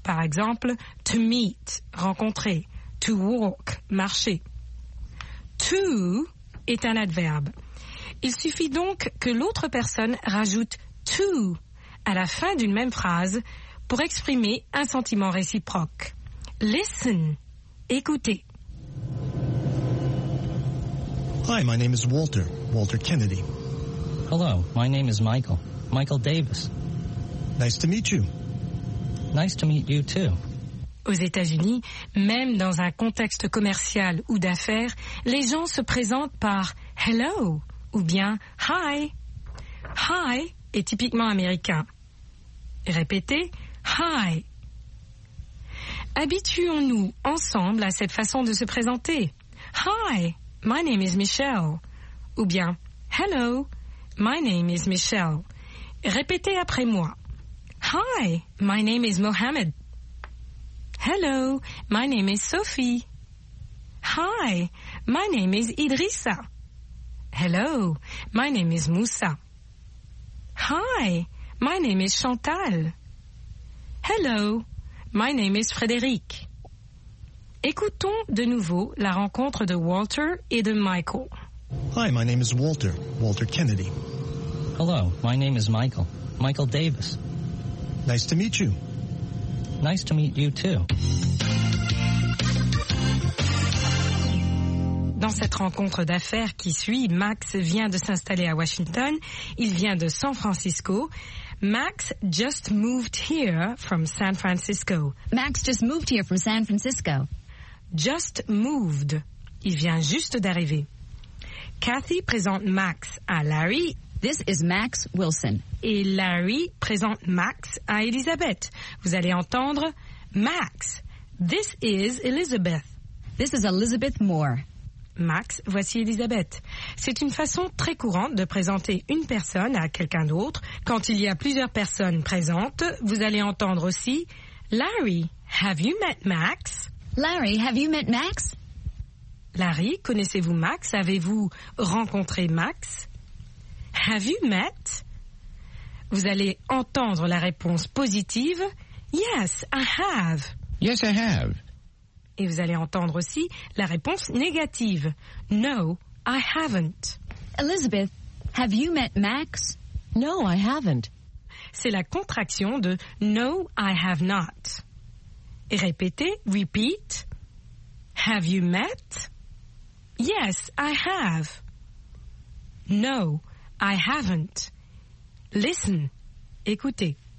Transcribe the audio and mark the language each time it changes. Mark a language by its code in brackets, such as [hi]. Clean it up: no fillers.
[fr] Par exemple, [en] to meet, [fr] rencontrer. [en] To walk, [fr] marcher. To est un adverbe. Il suffit donc que l'autre personne rajoute to à la fin d'une même phrase pour exprimer un sentiment réciproque. [en] Listen, [fr] écoutez. [en] Hi, my name is Walter, Walter Kennedy. Hello, my name is Michael, Michael Davis. Nice to meet you. Nice to meet you too. [fr] Aux États-Unis, même dans un contexte commercial ou d'affaires, les gens se présentent par « hello » ou bien « hi ».« Hi » est typiquement américain. Répétez « hi ». Habituons-nous ensemble à cette façon de se présenter. [en] « Hi, my name is Michelle » [fr] ou bien [en] « hello, my name is Michelle ». [fr] Répétez après moi. [en] « Hi, my name is Mohammed ». Hello, my name is Sophie. Hi, my name is Idrissa. Hello, my name is Moussa. Hi, my name is Chantal. Hello, my name is Frédéric. [fr] Écoutons de nouveau la rencontre de Walter et de Michael. [en] Hi, my name is Walter, Walter Kennedy. Hello, my name is Michael, Michael Davis. Nice to meet you. Nice to meet you too. [fr] Dans cette rencontre d'affaires qui suit, Max vient de s'installer à Washington. Il vient de San Francisco. [en] Max just moved here from San Francisco. Max just moved here from San Francisco. Just moved. [fr] Il vient juste d'arriver. Kathy présente Max à Larry. [en] This is Max Wilson. [fr] Et Larry présente Max à Elizabeth. Vous allez entendre Max. [en] This is Elizabeth. This is Elizabeth Moore. [fr] Max, voici Elizabeth. C'est une façon très courante de présenter une personne à quelqu'un d'autre. Quand il y a plusieurs personnes présentes, vous allez entendre aussi [en] Larry, have you met Max? Larry, have you met Max? [fr] Larry, connaissez-vous Max? Avez-vous rencontré Max? [en] Have you met? [fr] Vous allez entendre la réponse positive. [en] Yes, I have. Yes, I have. [fr] Et vous allez entendre aussi la réponse négative. [en] No, I haven't. Elizabeth, have you met Max? No, I haven't. [fr] C'est la contraction de [en] no, I have not. [fr] Et répétez, [en] repeat. Have you met? Yes, I have. No, I haven't. Listen. [fr] Écoutez.